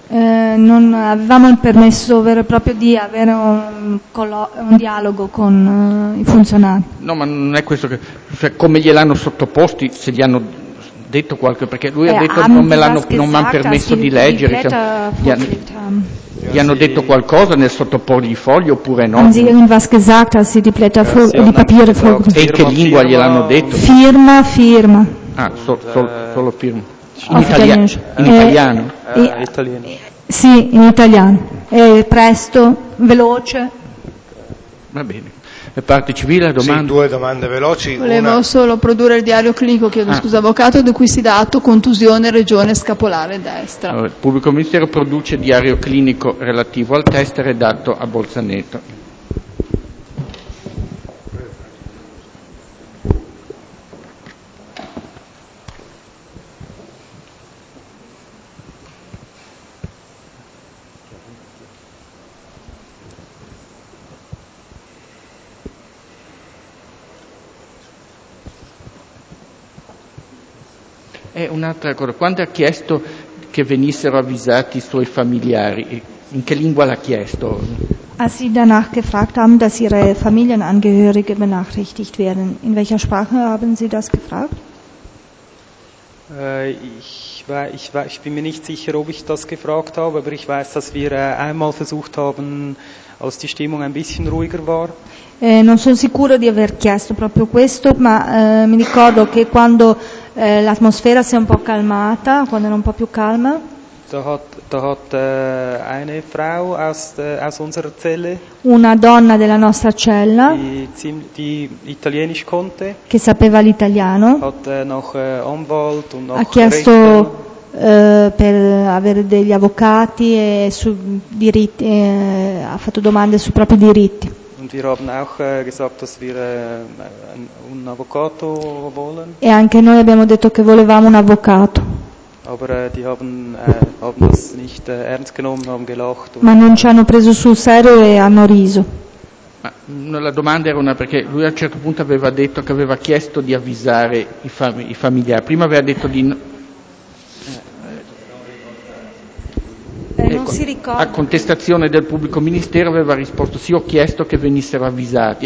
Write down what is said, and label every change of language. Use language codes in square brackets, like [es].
[it] Non avevamo il permesso vero e proprio di avere un dialogo con i funzionari. No, ma non è questo che, cioè, come gliel'hanno sottoposti, se gli hanno detto qualche, perché lui ha detto non mi hanno permesso di leggere, gli hanno detto qualcosa nel sottoporgli i fogli oppure no? [de] Haben sie irgendwas gesagt, dass sie die Papiere vorgelegt haben? [it] E che lingua gliel'hanno detto? Firma. Ah, solo firma. In italiano? Sì, in italiano. Presto, veloce. Va bene. E parte civile, domanda. Sì, due domande veloci. Volevo solo produrre il diario clinico, scusa avvocato, di cui si dà atto contusione regione scapolare destra. Allora, il pubblico ministero produce diario clinico relativo al test redatto a Bolzaneto. E un'altra cosa, quando ha chiesto che venissero avvisati i suoi familiari, in che lingua l'ha chiesto? [de] Als sie danach gefragt haben, dass ihre Familienangehörige benachrichtigt werden, in welcher Sprache haben sie das gefragt? Ich bin mir nicht sicher, ob ich das gefragt habe, aber ich weiß, dass wir einmal versucht haben, als die Stimmung ein bisschen ruhiger war. [it] Non sono sicuro di aver chiesto proprio questo, ma mi ricordo che quando l'atmosfera si è un po' calmata, quando era un po' più calma. [de] Da hat eine Frau aus unserer Zelle. [it] Una donna della nostra cella. [de] Die italienisch konnte. [it] Che sapeva l'italiano. Ha chiesto per avere degli avvocati e su diritti, ha fatto domande sui propri diritti. [de] Und wir haben auch gesagt, dass wir [it] un avvocato [de] wollen. [it] E anche noi abbiamo detto che volevamo un avvocato. [de] Aber die haben das nicht ernst genommen, haben gelacht. [it] Ma non ci hanno preso sul serio e hanno riso. Ma la domanda era una, perché lui a un certo punto aveva detto che aveva chiesto di avvisare i familiari. Prima aveva detto di... Non si ricorda. A contestazione del pubblico ministero aveva risposto sì, ho chiesto che venissero avvisati.